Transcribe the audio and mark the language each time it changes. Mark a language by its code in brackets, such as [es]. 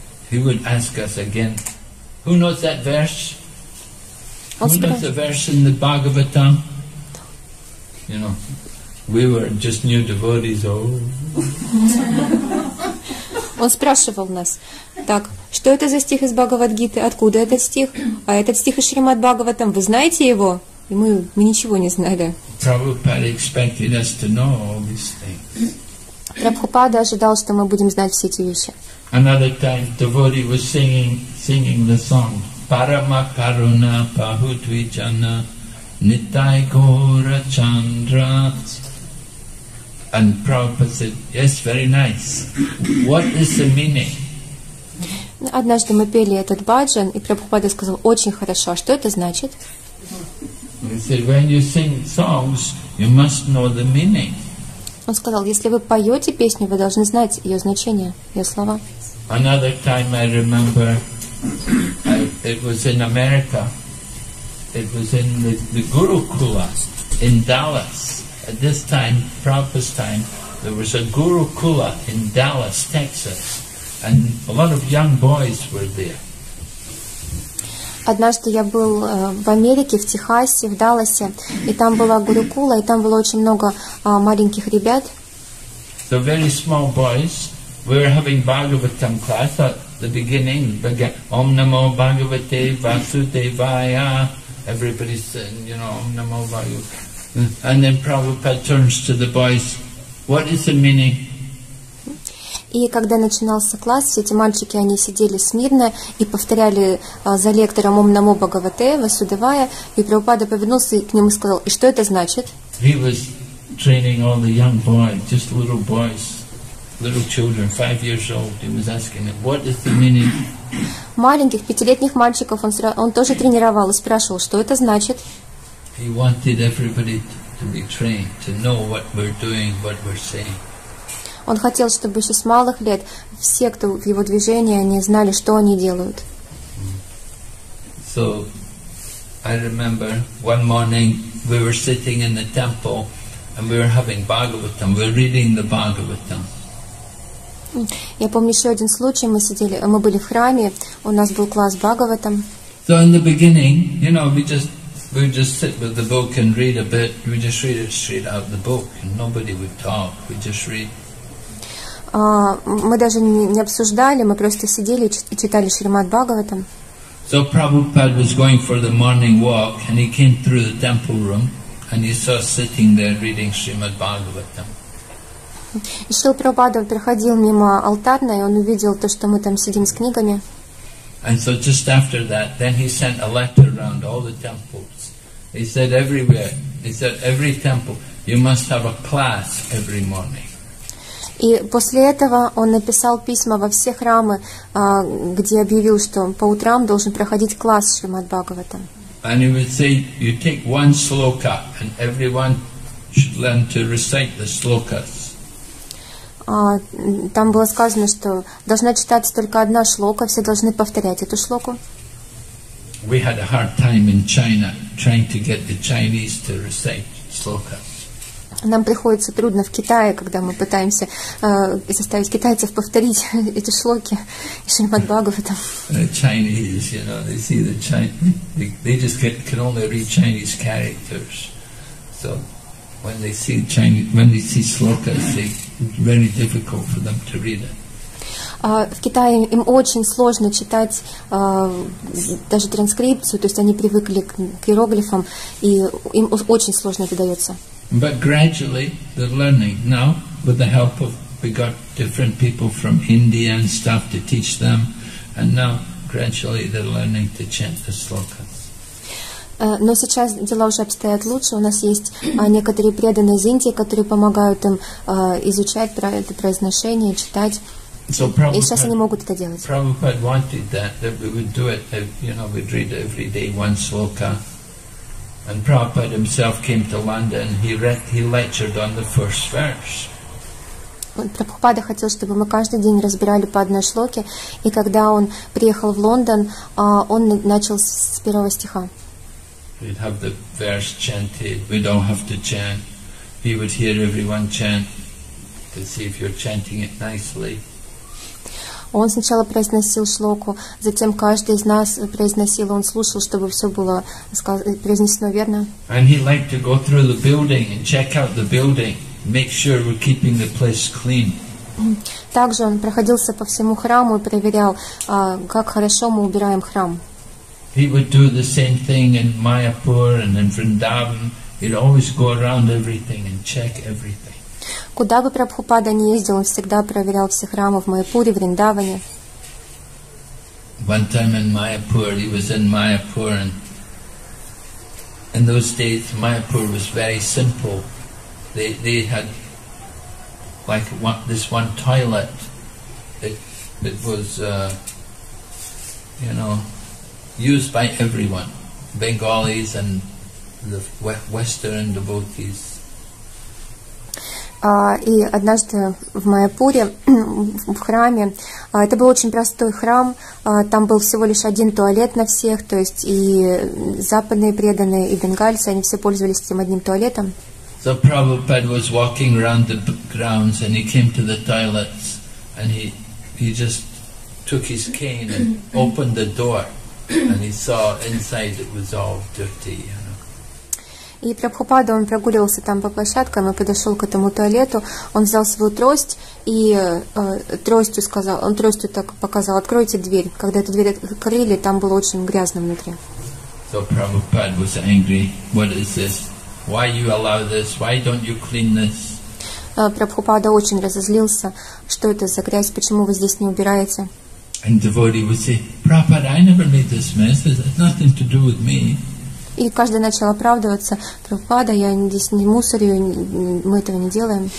[en] He would ask us again, "Who knows that verse? Who knows the verse in the Bhagavatam?" You know. We were just new devotees. [ru] Он спрашивал нас: "Так, что это за стих из Бхагавад-гиты? Откуда этот стих? А этот стих из Шримад-Бхагаватам, вы знаете его?" И мы ничего не знали. [en] Prabhupada expected us to know all these things. [ru] Прабхупада ожидал, что мы будем знать все эти вещи. [en] Another time, devotee was singing the song "Parama Karuna Pahutvijana Nitai Gora Chandra." And Prabhupada said, "Yes, very nice. What is the meaning?" [ru] Однажды мы пели этот баджан, и Прабхупада сказал: "Очень хорошо. Что это значит?" [en] He said, "When you sing songs, you must know the meaning." [ru] Он сказал: "Если вы поете песню, вы должны знать ее значение, ее слова." [en] Another time I remember, it was in America. It was in the Gurukula in Dallas. At this time, Prabhupada's time, there was a Gurukula in Dallas, Texas, and a lot of young boys were there. [ru] Однажды я был в Америке, в Техасе, в Далласе, и там была Гурукула, и там было очень много маленьких ребят. [en] So very small boys. We were having Bhagavatam class at the beginning. [sa] Om Namo Bhagavate Vasudevaya. [en] Everybody said, you know, [sa] Om Namo Bhagavate. [en] And then Prabhupada turns to the boys. What is the meaning? [ru] И когда начинался класс, все эти мальчики, они сидели смирно и повторяли за лектором [sa] Ом Намо Бхагавате Васудевая, [ru] и Прабхупада повернулся к ним и сказал: "И что это значит?" [en] He was training all the young boys, just little boys, little children, 5 years old. He was asking them, "What is the meaning?" [ru] Маленьких пятилетних мальчиков он тоже тренировал и спрашивал: "Что это значит?" [en] He wanted everybody to be trained, to know what we're doing, what we're saying. [ru] Он хотел, чтобы еще с малых лет все, кто в его движении, они знали, что они делают. [en] So, I remember one morning we were sitting in the temple and we were having Bhagavatam, we were reading the Bhagavatam. [ru] Я помню еще один случай, мы были в храме, у нас был класс Бхагаватам. [en] So in the beginning, you know, we just sit with the book and read a bit. We just read it straight out of the book, and nobody would talk. We just read. [ru] Мы даже не обсуждали. Мы просто сидели и читали Шримад Бхагаватам. [en] So Prabhupada was going for the morning walk, and he came through the temple room, and he saw us sitting there reading Shrimad Bhagavatam. [ru] Шрила Прабхупада проходил мимо алтарной, и он увидел то, что мы там сидим с книгами. [en] And so just after that, then he sent a letter around all the temples. He said everywhere, he said every temple, you must have a class every morning. [ru] И после этого он написал письма во все храмы, где объявил, что по утрам должен проходить класс Шримад Бхагаватам. [en] And he would say, you take one sloka, and everyone should learn to recite the slokas. [ru] Там было сказано, что должна читаться только одна шлока, все должны повторять эту шлоку. [en] we had a hard time in China trying to get the Chinese to recite slokas. [ru] Нам приходится трудно в Китае, когда мы пытаемся заставить китайцев повторить эти шлоки и Шримад Бхагаватам. [en] Chinese, you know, they see the Chinese, they just can only read Chinese characters. So when they see Chinese, when they see slokas, they very difficult for them to read it. [ru] В Китае им очень сложно читать даже транскрипцию, то есть они привыкли к иероглифам, и им очень сложно это дается. [en] But gradually they're learning now with the help of we got different people from India and stuff to teach them, and now gradually they're learning to chant the slokas. [ru] Но сейчас дела уже обстоят лучше. У нас есть некоторые преданные из Индии, которые помогают им изучать это произношение, читать. [en] So [ru] и сейчас они могут это делать. [en] Prabhupada wanted that we would do it. You know, we'd read every day one sloka. And Prabhupada himself came to London. He lectured on the first verse. [ru] Прабхупада хотел, чтобы мы каждый день разбирали по одной шлоке, и когда он приехал в Лондон, он начал с первого стиха. [en] We'd have the verse chanted. We don't have to chant. We would hear everyone chant to see if you're chanting it nicely. [ru] Он сначала произносил шлоку, затем каждый из нас произносил, он слушал, чтобы все было произнесено верно. [en] And he liked to go through the building and check out the building, make sure we're keeping the place clean. [ru] Также он проходился по всему храму и проверял, как хорошо мы убираем храм. [en] He would do the same thing in Mayapur and in Vrindavan. He'd always go around everything and check everything. [ru] Куда бы Прабхупада ни ездил, он всегда проверял все храмы в Майяпуре, в Риндаване. [en] One time in Mayapur, he was in Mayapur, and in those days Mayapur was very simple. They had like one, this one toilet. It was, you know, used by everyone, Bengalis and the Western devotees. [ru] И однажды в Майяпуре, в храме, это был очень простой храм, там был всего лишь один туалет на всех, то есть и западные преданные, и бенгальцы, они все пользовались этим одним туалетом. [en] So Prabhupada was walking around the grounds and he came to the toilets and he just took his cane and opened the door and he saw inside it was all dirty. [ru] И Прабхупада, он прогуливался там по площадкам и подошел к этому туалету. Он взял свою трость и тростью сказал, он тростью так показал, откройте дверь. Когда эту дверь открыли, там было очень грязно внутри. [en] So Prabhupada was angry. What is this? Why you allow this? Why don't you clean this? [ru] Прабхупада очень разозлился. Что это за грязь? Почему вы здесь не убираете? [en] And devotee would say, Prabhupada, I never made this mess. It has nothing to do with me. [ru] И каждый начал оправдываться, Прабхупада, я здесь не мусорю, мы этого не делаем.